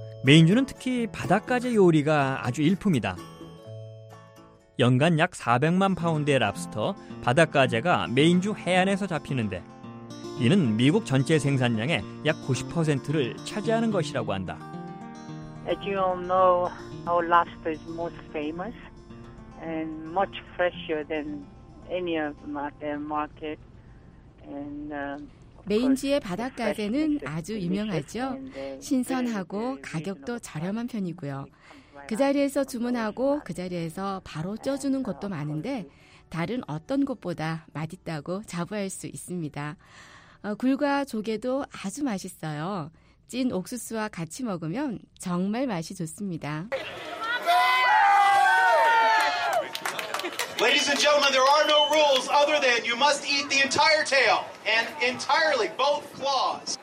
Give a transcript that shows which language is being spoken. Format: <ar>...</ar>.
<ko>메인주는 특히 바닷가재 요리가 아주 일품이다. 연간 약 400만 파운드의 랍스터, 바닷가재가 메인주 해안에서 잡히는데 이는 미국 전체 생산량의 약 90%를 차지하는 것이라고 한다.</ko> <en>As you all know, our lobster is most famous and much fresher than any of the market. And</en> <ko>메인지의 바닷가재는 아주 유명하죠. 신선하고 가격도 저렴한 편이고요. 그 자리에서 주문하고 그 자리에서 바로 쪄주는 곳도 많은데 다른 어떤 곳보다 맛있다고 자부할 수 있습니다. 굴과 조개도 아주 맛있어요. 찐 옥수수와 같이 먹으면 정말 맛이 좋습니다.</ko> <en>Ladies and gentlemen, there are no rules other than you must eat the entire tail and entirely both claws.</en>